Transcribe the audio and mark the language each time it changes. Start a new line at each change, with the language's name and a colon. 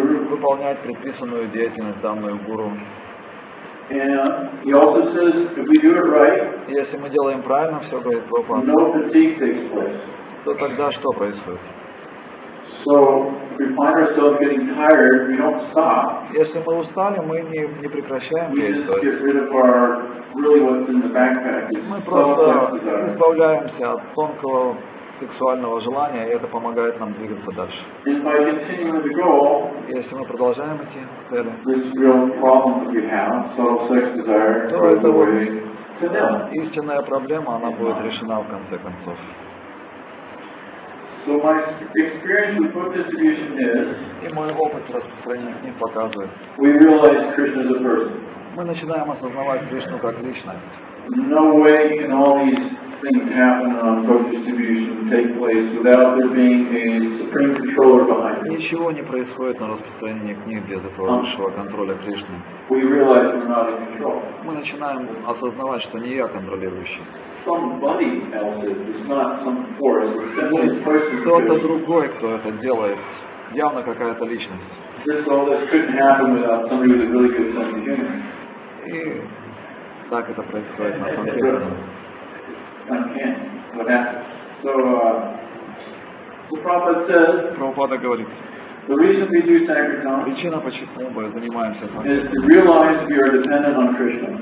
Russian: Выполнять предписанную деятельность, данную гуру. И если мы делаем правильно, все говорит Прабхупада, то тогда что происходит?
English: So if we find ourselves getting tired, we don't stop.
Russian: Если мы устали, мы не прекращаем действовать.
English: We just get rid of our really what's in the backpack.
Russian: Мы просто избавляемся от тонкого сексуального желания, и это помогает нам двигаться дальше.
English: If by continuing the goal,
Russian: если мы продолжаем идти к цели,
English: this real problem that we have, subtle sex desire,
Russian: то это вот истинная проблема, она будет решена в конце концов.
English: So my experience with book distribution is,
Russian: и мой опыт распространения книг показывает,
English: we realize Krishna as a person.
Russian: Мы начинаем осознавать Кришну как личность.
English: No way can all these things happen on book distribution take place without there being a supreme controller behind it.
Russian: Ничего не происходит на распространении книг без этого высшего контроля Кришны.
English: We realize we're not in control.
Russian: Мы начинаем осознавать, что не я контролирующий.
English: Somebody else is. It's not some force.
Russian: Кто-то другой, кто это делает. Явно какая-то личность.
English: This all this couldn't happen without somebody with a really good sense of humor.
Russian: И так это происходит на самом деле.
English: Uncanny. So Prabhupada says.
Russian: Prabhupada говорит.
English: The reason we do sankirtan.
Russian: Причина, почему мы занимаемся сам.
English: Is to realize we are dependent on Krishna.